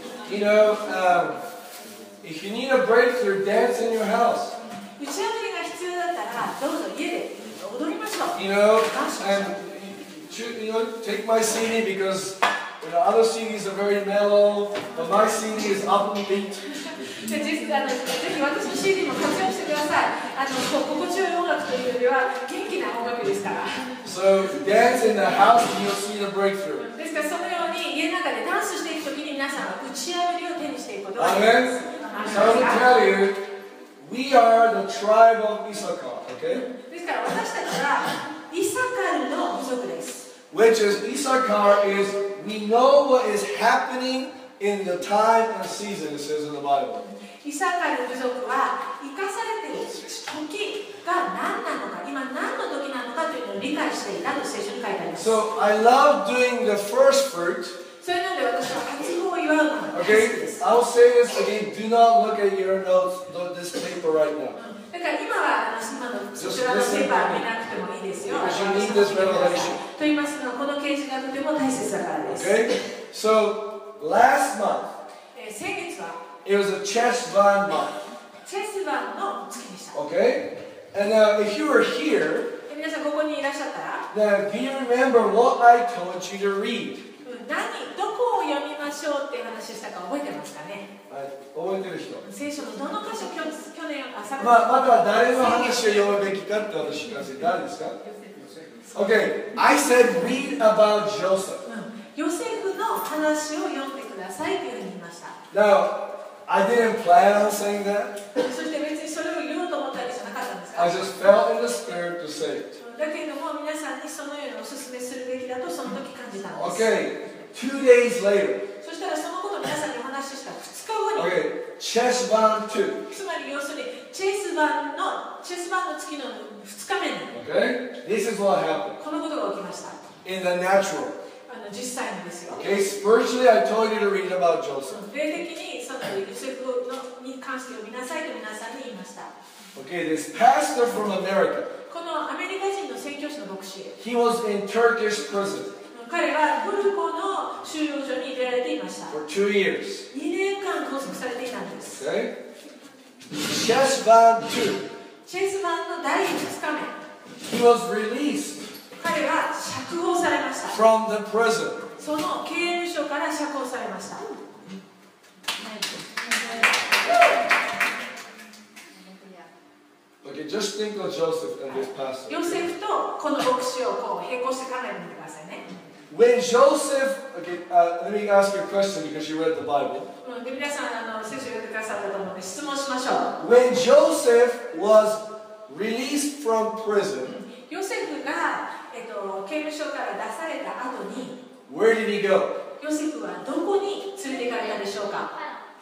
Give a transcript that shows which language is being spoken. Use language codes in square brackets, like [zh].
[en] You know, if you need a breakthrough, dance in your house. [ja] 打ち破りが必要だったらどうぞ家で踊りましょう。 [en] You know, and you know, take my CD because you know, other CDs are very mellow, but my CD is upbeat. [ja] ぜひ私の CD も活用してください。心地よい音楽というよりは元気な音楽ですから。 [en] So dance in the house and you'll see the breakthrough. [ja] ですからそのように家の中でダンスしていくときに皆さんは打ち破りを手にしていくことがあります。Amen. [en] So I will tell you, we are the tribe of Issachar, okay? [ja] ですから私たちはイサカルの部族です。 [en] Which is Issachar is we know what is happening in the time and season, it says in the Bible. [ja] イサカルの部族は生かされている時期が何なのか、今何の時なのかというのを理解していたと聖書に書いてあります。 [en] So I love doing the first fruit. [ja] それなので私は初穂を祝うのが大好きです。 [en] Okay, I'll say this again. Do not look at your notes, this paper right now. [ja] だから今は今のそちらのペーパー見なくてもいいですよ。 [en] Because you need this revelation. [ja] と言いますのはこの啓示がとても大切だからです。 [en] Okay, so last month. [ja] 先月は。 [en] It was a chess van month. [ja] チェスバンの月でした。 [en] Okay. And now, if you were here, then do you remember what I told you to read? [ja] どこを読みましょうって話をしたか覚えてますかね？はい、覚えてる人。聖書のどの箇所去年朝。また誰の話を読むべきかって私が誰ですか？ [en] Okay, I said read about Joseph. [ja] ヨセフの話を読んでくださいって言いました。 [en] Now, I didn't plan on saying that. [ja] そして別にそれを言おうと思ったりしなかった。 [en] I just felt in the spirit to say it. [ja] だけども皆さんにそのようにお勧めするべきだとその時感じたんです。 [en] Okay, 2 days later. [ja] そしたらそのことを皆さんにお話しした2日後に。 [en] Okay, chess ban 2. [ja] つまり要するにチェスバンの月の2日目に。 [en] Okay, this is what happened. [ja] このことが起きました。 [en] In the natural. [ja] 実際にですよ。 [en] Okay, spiritually I told you to read about Joseph. [ja] 霊的にそのヨセフに関して読みなさいと皆さんに言いました。 [en] Okay, this pastor from America. [ja] このアメリカ人の宣教師の牧師。 [en] He was in Turkish prison. [ja] 彼はトルコの収容所に入れられていました。 [en] For 2 years. [ja] 2年間拘束されていたんです。 [en] Okay. Chesvan 2. [ja] チェスバンの第2日目。 [en] He was released. [ja] 彼は釈放されました。 [en] From the prison. [ja] その刑務所から釈放されました。 [en] Okay, just think of Joseph and this pastor. [ja] ヨセフとこの牧師をこう並行して考えてみてくださいね。 [en] When Joseph, okay, let me ask you a question because you read the Bible. [ja] で皆さん聖書を読んでくださったと思うので質問しましょう。 [en] When Joseph was released from prison, [ja] ヨセフが刑務所から出された後に、 [en] where did he go? [ja] ヨセフはどこに連れて行かれたでしょうか？